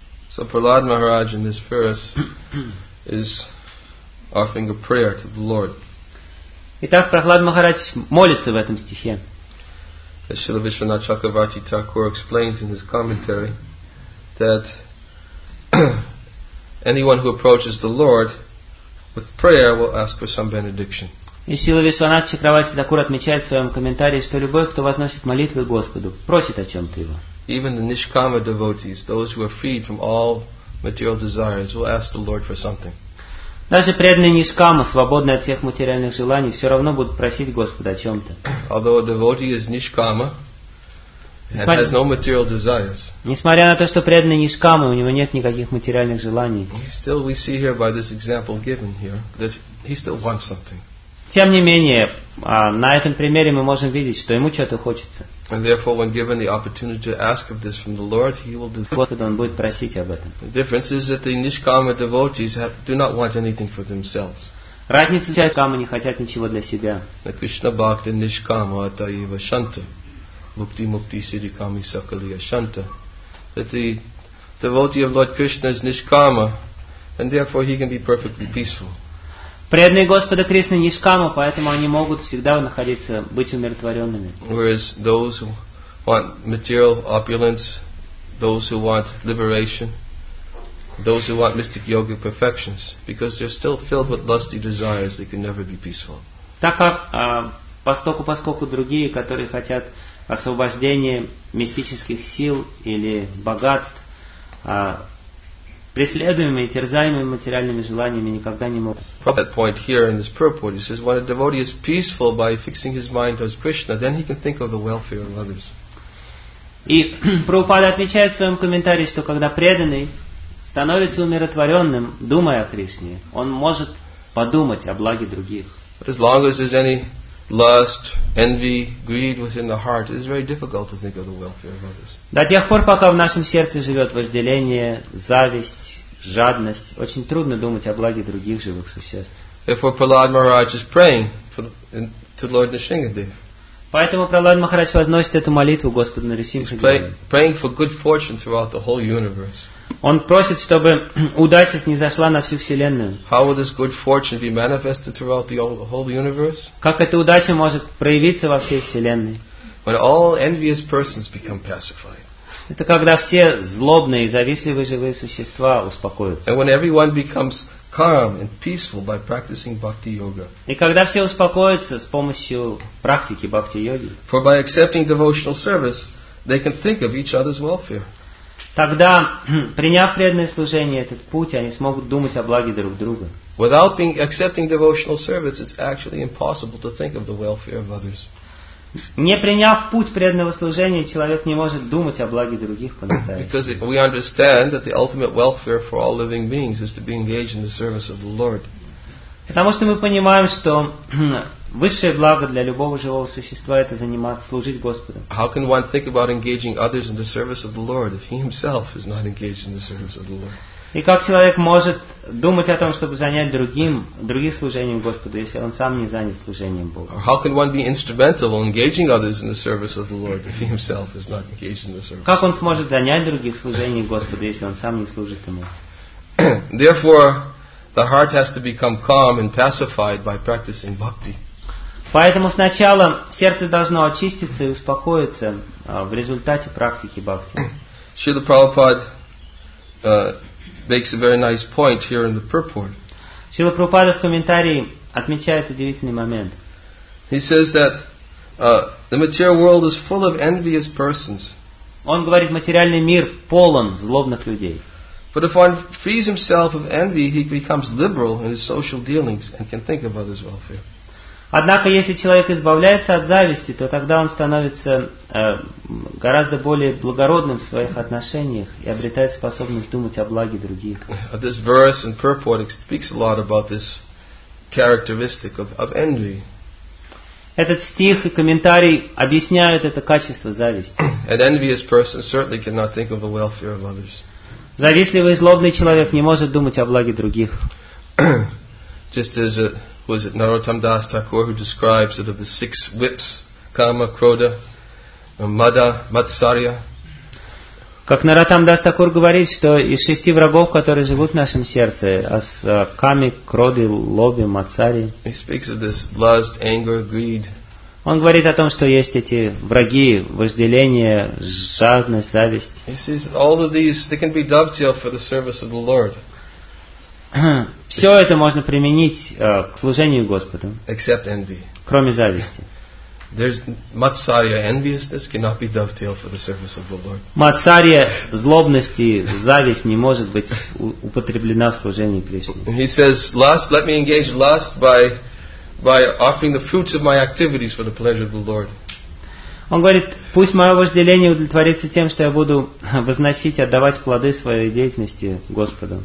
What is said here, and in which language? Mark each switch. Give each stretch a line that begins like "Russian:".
English: So Prahlad Maharaj in this verse is offering a prayer to the Lord.
Russian: Итак, Прахлад Махарадж молится в этом стихе.
English: As Srila Vishwanath Chakravarti Thakur explains in his commentary that anyone who approaches the Lord with prayer will ask for some benediction.
Russian: И Srila Vishwanath Chakravarti Thakur отмечает в своем комментарии, что любой, кто возносит молитвы Господу, просит о чем-то его.
English: Even the Nishkama devotees, those who are freed from all material desires, will ask the Lord for something.
Russian: Даже преданные нишкама, свободные от всех материальных желаний, все равно будут просить Господа о чем-то.
English: Although a devotee is nishkama and has no material desires,
Russian: несмотря на то, что преданный нишкама, у него нет никаких материальных желаний,
English: still we see here by this example given here that he still wants something.
Russian: Тем не менее, на этом примере мы можем видеть, что ему что-то хочется.
English: And therefore, when given the opportunity to ask of this from the Lord, he will do.
Russian: Господь, он будет просить об этом.
English: The difference is that the nishkama devotees do not want anything for themselves.
Russian: Разница вся, кама не хотят ничего для себя. На Кришна Бхакти Нишкама это его шанта. Бхакти Мукти Сиди Ками Сакалия Шанта. Это
English: devotee of Lord Krishna is Нишкама, and therefore he can be perfectly peaceful.
Russian: Преданные Господа Кришны Нишкама, поэтому они могут всегда находиться, быть умиротворенными.
English: Whereas those who want material opulence, those who want liberation, those who want mystic yogic perfections, because they're still filled with lusty desires, they can never be peaceful.
Russian: Так как, поскольку другие, которые хотят освобождения мистических сил или богатств, преследуемые, терзаемые материальными желаниями, никогда не могут.
English: From that point here in this purport, he says, when a devotee is peaceful by fixing his mind towards Krishna, then he can think of the welfare of others.
Russian: И Прабхупада отмечает в своем комментарии, что когда преданный становится умиротворенным, думая о Кришне, он может подумать о благе других.
English: As long as there's any lust, envy, greed within the heart, it is very difficult to think of the welfare of others.
Russian: До тех пор, пока в нашем сердце живет вожделение, зависть, жадность, очень трудно думать о благе других живых существ.
English: Therefore, Prahlad Maharaj is praying to Lord Nrisimhadeva.
Russian: Поэтому Прахлад Махарадж возносит эту молитву Господу Нарисимхадеве. Он просит, чтобы удача снизошла на всю Вселенную.
English: How will this good fortune be manifested throughout the whole universe?
Russian: Как эта удача может проявиться во всей Вселенной?
English: When all envious persons become pacified.
Russian: Это когда все злобные и завистливые живые существа успокоятся.
English: And when everyone becomes calm and peaceful by practicing bhakti yoga.
Russian: И когда все успокоятся с помощью практики бхакти йоги.
English: For by accepting devotional service, they can think of each other's welfare.
Russian: Тогда, приняв преданное служение, этот путь, они смогут думать о благе друг друга.
English: Without being accepting devotional service, it's actually impossible to think of the welfare of others.
Russian: Не приняв путь преданного служения, человек не может думать о благе других по-настоящему.
English: Because we understand that the ultimate welfare for all living beings is to be engaged in the service of the Lord.
Russian: Потому что мы понимаем, что высшее благо для любого живого существа это заниматься, служить Господу.
English: How can one think about engaging others in the service of the Lord if he himself is not engaged in the service of the Lord?
Russian: И как человек может думать о том, чтобы занять других служением Господу, если он сам не занят служением Бога?
English: How can one be instrumental in engaging others in the service of the Lord if he himself is not engaged in the service?
Russian: Как он сможет занять других служением Господу, если он сам не служит ему?
English: Therefore, the heart has to become calm and pacified by practicing bhakti.
Russian: Поэтому сначала сердце должно очиститься и успокоиться в результате практики бхакти.
English: Srila Prabhupada makes a very nice point here in the purport.
Russian: Srila Prabhupada в комментарии отмечает удивительный момент.
English: He says that the material world is full of envious persons.
Russian: Он говорит, материальный мир полон злобных людей.
English: But if one frees himself of envy, he becomes liberal in his social dealings and can think of others' welfare.
Russian: Однако, если человек избавляется от зависти, то тогда он становится гораздо более благородным в своих отношениях и обретает способность думать о благе других.
English: This verse in purport speaks a lot about this characteristic of envy.
Russian: Этот стих и комментарий объясняют это качество зависти.
English: An envious person certainly cannot think of the welfare of others.
Russian: Завистливый и злобный человек не может думать о благе других.
English: Just as a was it Narottam Das Thakur who describes it of the six whips, Kama, Krodha, Mada, Matsarya.
Russian: Как Narottam Das Thakur говорит, что из шести врагов, которые живут в нашем сердце, с Ками, Кроды, Лоби, Матсари.
English: He speaks of this lust, anger, greed.
Russian: Он говорит о том, что есть эти враги, вожделение, жадность, зависть.
English: He says all of these, they can be dovetailed for the service of the Lord.
Russian: Все это можно применить к служению Господу.
English: Except envy.
Russian: Кроме зависти.
English: There's matsarya, enviousness cannot be dovetailed for the service of the Lord.
Russian: Матсария, злобность и зависть не может быть употреблена в служении Кришне.
English: He says, lust, let me engage lust by offering the fruits of my activities for the pleasure of the Lord.
Russian: Он говорит, пусть мое вожделение удовлетворится тем, что я буду возносить, отдавать плоды своей деятельности Господу.